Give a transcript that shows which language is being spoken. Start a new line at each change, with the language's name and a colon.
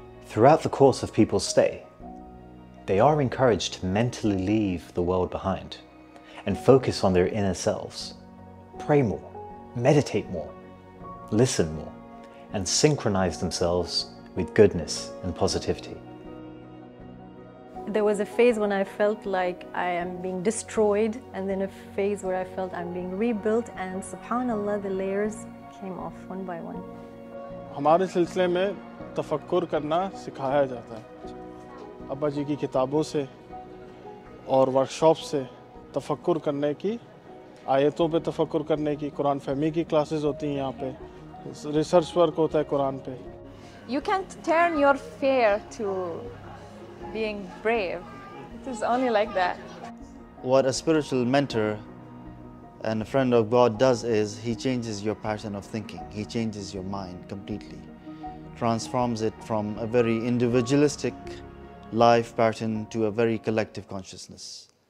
English: Throughout the course of people's stay, they are encouraged to mentally leave the world behind and focus on their inner selves, pray more, meditate more, listen more, and synchronize themselves with goodness and positivity. There was a phase when I felt like I am being destroyed, and then a phase where I felt I'm being rebuilt, and subhanallah, the layers came off one by one.
Urdu: ہمارے سلسلے میں تفکر کرنا سکھایا جاتا ہے، ابا جی کی کتابوں سے اور ورکشاپ سے تفکر کرنے کی، آیتوں پہ تفکر کرنے کی، قرآن فہمی کی کلاسز ہوتی ہیں یہاں پہ، ریسرچ ورک ہوتا ہے قرآن پہ۔
English: You can turn your fear to being brave. It is only like that. What a spiritual mentor and a friend of God does is he changes your pattern of thinking. He changes your mind completely. Transforms it from a very individualistic life pattern to a very collective consciousness.